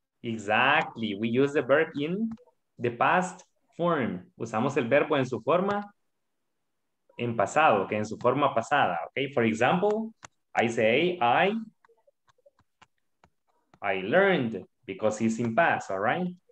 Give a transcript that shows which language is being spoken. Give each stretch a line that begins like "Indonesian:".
English: Exactly, we use the verb in the past form.
Spanish: Usamos el verbo en su forma en pasado, que en su forma pasada, okay?
English: For example, I say I learned, because it's in past, all right?